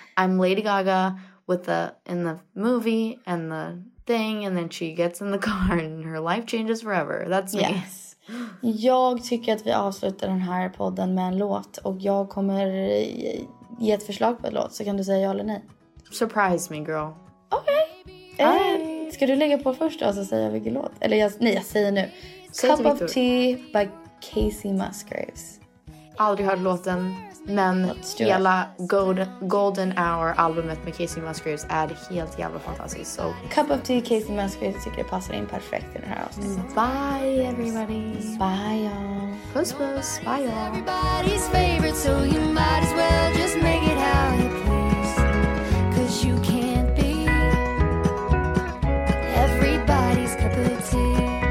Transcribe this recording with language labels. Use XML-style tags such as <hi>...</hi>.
<en>I'm Lady Gaga with the in the movie and the thing, and then she gets in the car and her life changes forever. That's me. Yes.</en> <sv>Jag tycker att vi avslutar den här podden med en låt. Och jag kommer ge ett förslag på en låt. Så kan du säga ja eller nej.</sv> <en>Surprise me girl.</en> <sv>Okej, okay. Ska du lägga på först då, så säger jag vilken låt. Eller jag, nej, jag säger nu säg</sv> <en>Cup of Tea by Kacey Musgraves.</en> <sv>Aldrig hört låten. Men hela Golden Hour albumet med Kacey Musgraves är helt jävla fantastiskt.</sv> <en>So.</en> <sv>Cup of Tea, Kacey Musgraves, tycker jag passar in perfekt i den här avsnittet.</sv> <en>Bye everybody. Bye y'all.</en> <sv>Puss puss.</sv> <en>Bye y'all. Everybody's favorite, so you might as well just make it how you please. 'Cause you can't be everybody's cup of tea.</en>